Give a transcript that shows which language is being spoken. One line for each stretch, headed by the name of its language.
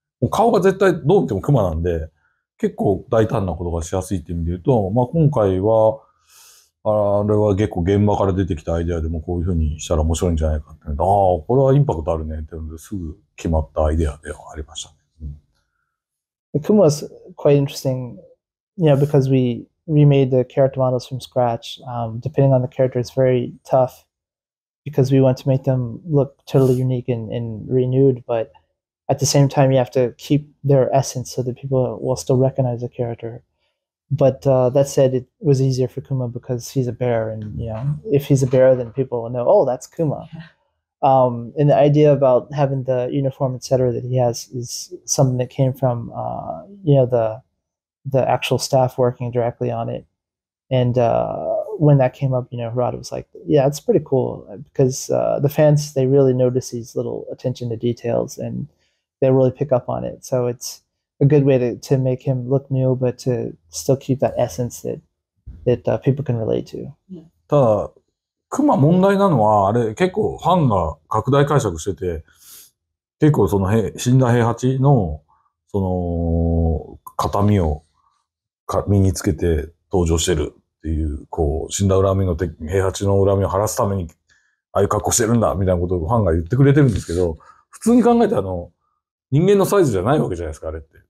Japanese: 顔が絶対どう見てもクマなんで、結構大胆なことがしやすいって意味で言うと、まあ、今回は、あれは結構現場から出てきたアイデアでもこういうふうにしたら面白いんじゃないかって、ああ、これはインパクトあるねって言うので、すぐ決まったアイデアではありましたね。
English: クマ is quite interesting, yeah, because we remade the character models from scratch. Depending on the character, it's very tough because we want to make them look totally unique and renewed, but... At the same time, you have to keep their essence so that people will still recognize the character. But that said, it was easier for Kuma because he's a bear. And, you know, if he's a bear, then people will know, oh, that's Kuma. And the idea about having the uniform, et cetera, that he has is something that came from, you know, the actual staff working directly on it. And when that came up, you know, Harada was like, yeah, it's pretty cool because the fans, they really notice these little attention to details and they really pick up on it. So it's a good way to make him look new, but to still keep that essence that people can relate to. Yeah.
Japanese: クマ問題なのは、あれ、結構ファンが拡大解釈してて、結構その死んだ兵八の、その、形見を身につけて登場してるっていう、こう、死んだ恨みの、兵八の恨みを晴らすために、ああいう格好してるんだ、みたいなことをファンが言ってくれてるんですけど、普通に考えて人間のサイズじゃないわけじゃないですか、あれって。